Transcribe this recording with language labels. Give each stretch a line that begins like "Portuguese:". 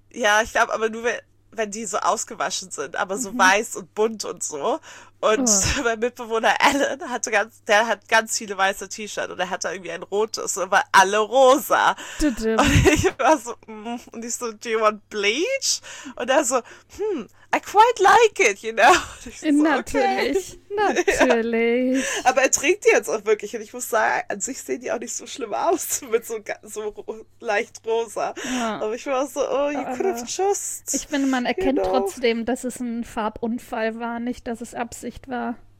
German: Ja, ich glaube aber nur, wenn die so ausgewaschen sind, aber so weiß und bunt und so. Und mein Mitbewohner Alan hatte ganz, der hat ganz viele weiße T-Shirts und er hatte irgendwie ein rotes und war alle rosa. Du. Und ich war so, und ich so,
English: do you want bleach?
German: Und er so,
English: I quite like it, you know?
German: Und ich so, natürlich, okay. Natürlich. Ja. Aber er trinkt die jetzt auch wirklich und ich muss sagen, an sich sehen die auch nicht so schlimm aus mit so, so leicht rosa. Ja. Aber ich war so,
English: oh, you could have just.
German: Ich finde, man erkennt trotzdem, dass es ein Farbunfall war, nicht, dass es absolut Sicht war.